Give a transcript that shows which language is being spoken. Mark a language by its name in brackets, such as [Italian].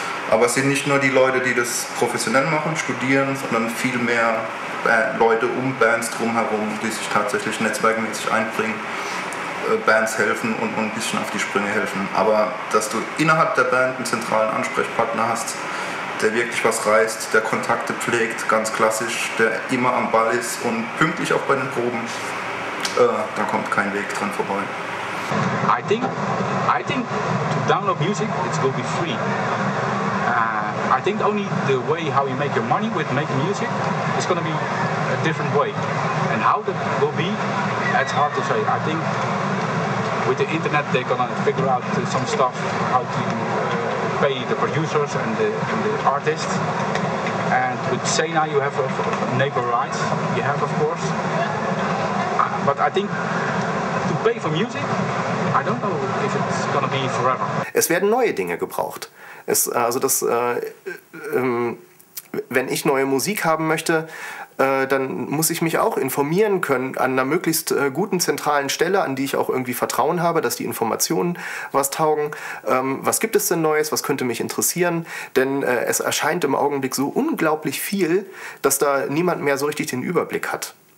[German] Aber es sind nicht nur die Leute, die das professionell machen, studieren, sondern viel mehr Leute um Bands drumherum, die sich tatsächlich netzwerkmäßig einbringen, Bands helfen und ein bisschen auf die Sprünge helfen. Aber dass du innerhalb der Band einen zentralen Ansprechpartner hast, der wirklich was reißt, der Kontakte pflegt, ganz klassisch, der immer am Ball ist und pünktlich auch bei den Proben, da kommt kein Weg dran vorbei. [English] I think to download music it's going to be free. I think only the way how you make your money with making music is going to be a different way. And how that will be, that's hard to say. I think with the internet they're going to figure out some stuff how to pay the producers and the artists. And with Sena you have neighbor rights, you have of course. But I think to pay for music, I don't know if it's gonna be forever. [German] Es werden neue Dinge gebraucht. Wenn ich neue Musik haben möchte, dann muss ich mich auch informieren können an einer möglichst guten zentralen Stelle, an die ich auch irgendwie Vertrauen habe, dass die Informationen was taugen. Was gibt es denn Neues? Was könnte mich interessieren? Denn es erscheint im Augenblick so unglaublich viel, dass da niemand mehr so richtig den Überblick hat.